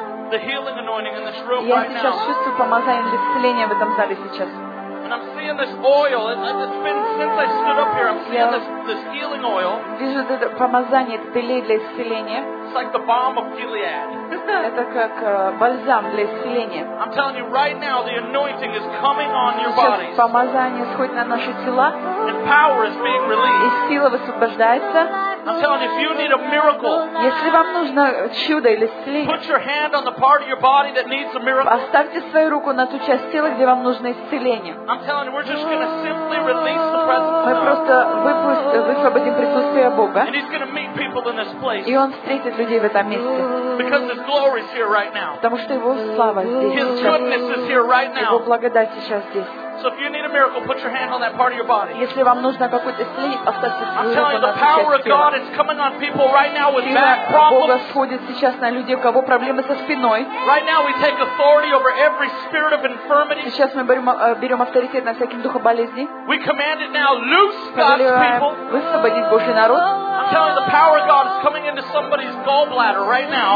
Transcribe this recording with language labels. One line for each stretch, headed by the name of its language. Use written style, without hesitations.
Russian: Я сейчас чувствую помазание или исцеление в этом зале сейчас. Я вижу это помазание, это елей для исцеления.
English: It's like the balm of Gilead.
Russian: Это как бальзам для исцеления.
English: I'm telling you right now, the anointing is coming on your body.
Russian: Сейчас помазание сходит на наши тела.
English: And power is being released.
Russian: И сила высвобождается.
English: I'm telling you, if you need a miracle,
Russian: если вам нужно чудо или исцеление,
English: put your hand on the part of your body that needs a miracle.
Russian: Оставьте свою руку на ту часть тела, где вам нужно исцеление.
English: I'm telling you, we're just going to simply release the presence.
Russian: Мы просто высвободим присутствие Бога.
English: And He's going to meet people in this place.
Russian: И Он встретит людей в этом месте.
English: Because His glory is here right now.
Russian: Потому что Его слава здесь.
English: His goodness is here right now.
Russian: Его благодать сейчас здесь.
English: So if you need a miracle, put your hand on that part of your body.
Russian: Если вам нужно какое-то исцеление, оставьте руку на эту часть тела.
English: The power of God is coming on people right now with back problems.
Russian: Бога сходит сейчас на людей, у кого проблемы со спиной.
English: Right now we take authority over every spirit of infirmity.
Russian: Сейчас мы берем авторитет на всяким духом болезни.
English: We command it now, loose God's people.
Russian: Высвободить Божий народ.
English: I'm telling you, the power of God is coming into somebody's gallbladder right now.